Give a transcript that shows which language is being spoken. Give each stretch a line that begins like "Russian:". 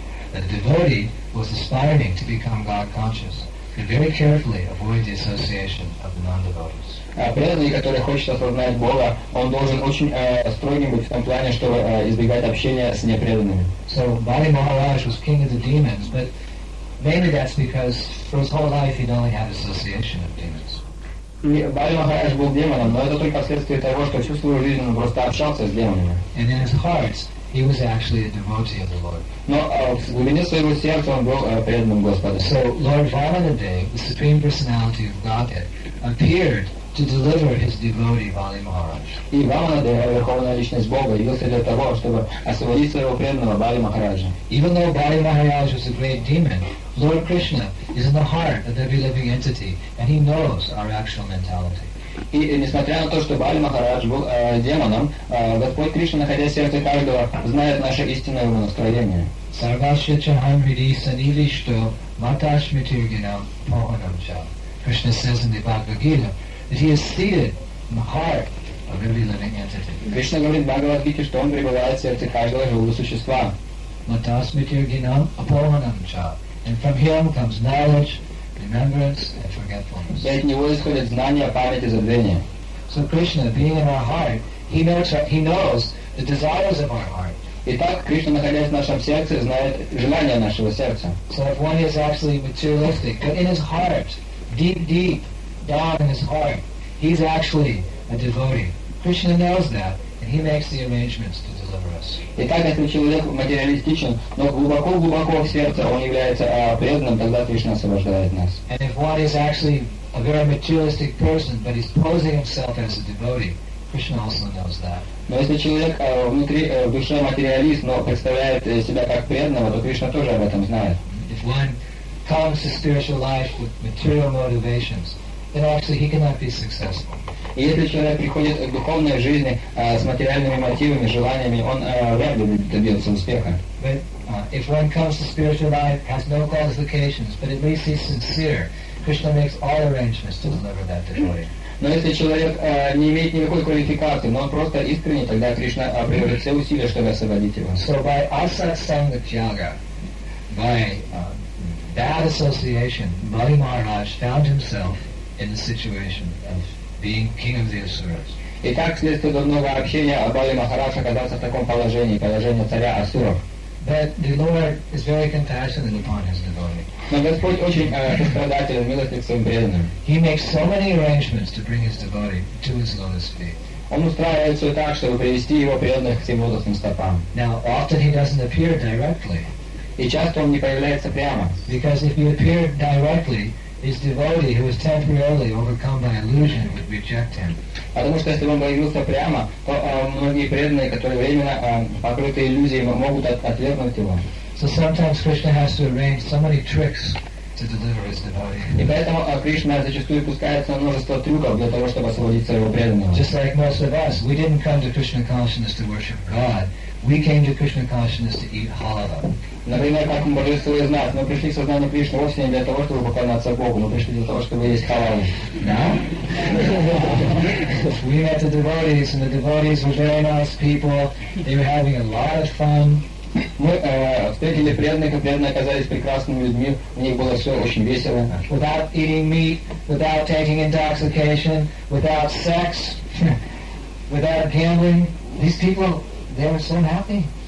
English: The devotee was aspiring to become God-conscious. He very carefully avoid the association of the non-devotees.
Russian: Преданный, который хочет осознать Бога, он должен очень стройным быть в том плане, чтобы избегать общения с непреданными.
English: So, Bali Maharaj was king of the demons, but mainly that's because for his whole life he'd only had association of demons.
Russian: Бали Махарадж был демоном, но это только вследствие того, что всю свою жизнь он просто общался с демонами.
English: And in his heart, he was actually a devotee of the Lord.
Russian: Но в глубине своего сердца он был преданным Господу.
English: So Lord Valanadev, the Supreme Personality of Godhead, appeared to deliver his devotee Bali Maharaj.
Russian: И Валанадева, Верховная Личность Бога, явился для того, чтобы освободить своего преданного Бали Махараджа.
English: Even though Bali Maharaj was a great demon, Lord Krishna is in the heart of every living entity, and he knows our actual mentality.
Russian: И несмотря на то, что Бали Махарадж был демоном, Господь Кришна, находясь в сердце каждого, знает наше истинное настроение.
Sanskrit: Sarvasya chaham hridi sanilishto matashmitirginam pohanam cha.
English: Krishna says in the Bhagavad Gita that he is seated in the heart of every living entity.
Russian: Кришна говорит в Бхагавад-гите, что он пребывает в сердце каждого живого существа.
Sanskrit: Matasmitir Ginam Apolanam Cha.
English: And from him comes knowledge, remembrance, and forgetfulness. So Krishna, being in our heart, he knows the desires of our heart.
Russian: Итак, Кришна, находясь в нашем сердце, знает желания нашего сердца.
English: So if one is actually materialistic, but in his heart, deep down in his heart, he's actually a devotee. Krishna knows that, and he makes the arrangements to deliver us.
Russian: Итак, если человек материалистичен, но глубоко в сердце он является преданным, тогда Кришна освобождает нас.
English: And if one is actually a very materialistic person, but he's posing himself as a devotee, Krishna also knows that.
Russian: Но если человек внутри в душе материалист, но представляет себя как преданного, то Кришна тоже об этом знает.
English: If one comes to spiritual life with material motivations, then actually he cannot be successful.
Russian: И если человек приходит к духовной жизни с материальными мотивами, желаниями, он вряд ли добьется успеха.
English: But if one comes to spiritual life has no qualifications, but at least he's sincere, Krishna makes all arrangements to deliver that devotee.
Russian: Но если человек не имеет никакой квалификации, но он просто искренний, тогда Кришна приложит все усилия, чтобы освободить его.
English: So by asat-sangat-yaga, by bad association, Bali Maharaj found himself in the situation of being king of the Asuras.
Russian: Итак, вследствие дурного общения, Бали Махарадж оказался в таком положении царя Асуров.
English: But the Lord is very compassionate upon his devotee.
Russian: Но Господь очень сострадателен, милостив к своим преданным.
English: He makes so many arrangements to bring his devotee to his lotus feet.
Russian: Он устраивает все так, чтобы привести его преданных к своим лотосным стопам.
English: Now, often he doesn't appear directly.
Russian: И часто он не появляется прямо.
English: Because if he appeared directly, his devotee, who is temporarily overcome by illusion, would reject him.
Russian: Потому что если он появился прямо, то многие преданные, которые временно покрыты иллюзией, могут отвергнуть его.
English: So sometimes Krishna has to arrange so many tricks to deliver his devotee.
Russian: И поэтому Кришна зачастую пускается множество трюков для того, чтобы освободить своего преданного.
English: Just like most of us, we didn't come to Krishna consciousness to worship God. We came to Krishna consciousness to eat halava.
Russian: Например, как большинство из нас, мы пришли к сознанию Кришны вовсе не для того, чтобы поклоняться Богу, мы пришли для того, чтобы есть халаву.
English: No? We met the devotees, and the devotees were very nice people. They were having a lot of fun.
Russian: Мы встретили преданных, и преданные оказались прекрасными людьми, у них было все очень весело.
English: Without eating meat, without taking intoxication, without sex, without gambling, these people, they were so happy.